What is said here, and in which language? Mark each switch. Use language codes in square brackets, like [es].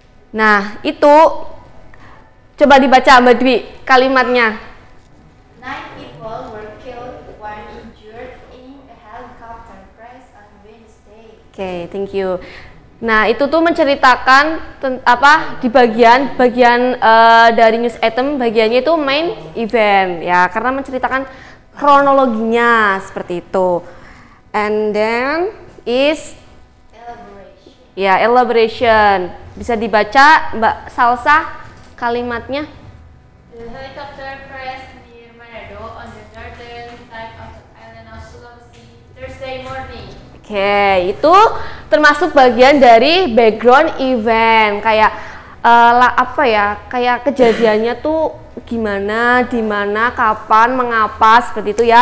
[id] Nah, itu coba dibaca Mbak Dwi kalimatnya. [en] 9 people were killed, 1 injured in a helicopter crash on Wednesday. Okay, thank you. [id] Nah, itu tuh menceritakan apa di bagian dari news item, bagiannya itu main event ya, karena menceritakan kronologinya seperti itu. [en] And then is elaboration. [id] Ya, yeah, elaboration. Bisa dibaca Mbak Salsa kalimatnya? [en] The helicopter crashed near Manado on the northern side of the island of Sulawesi Thursday morning. [id] Oke, okay, itu termasuk bagian dari background event, kayak kayak kejadiannya tuh gimana, di mana, kapan, mengapa, seperti itu ya.